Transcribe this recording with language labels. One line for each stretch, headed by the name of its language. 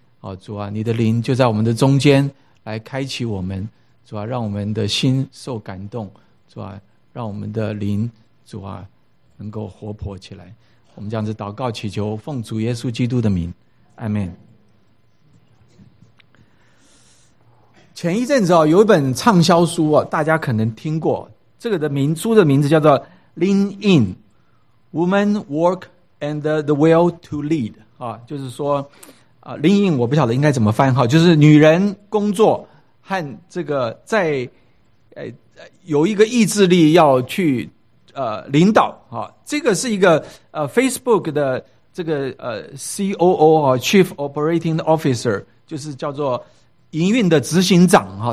Chinese: 哦，主啊，你的灵就在我们的中间来开启我们，主啊，让我们的心受感动，主啊，让我们的灵，主啊，能够活泼起来。我们这样子祷告祈求，奉主耶稣基督的名，阿门。前一阵子哦，有一本畅销书哦，大家可能听过，这个的名书的名字叫做《Lean In》。
English: Woman, work, and the will to lead.
Chinese: 啊，就是说，Lean in, 我不晓得应该怎么翻好，就是女人工作和这个在，有一个意志力要去领导啊。这个是一个Facebook 的这个COO 啊 ，Chief Operating Officer， 就是叫做营运的执行长啊。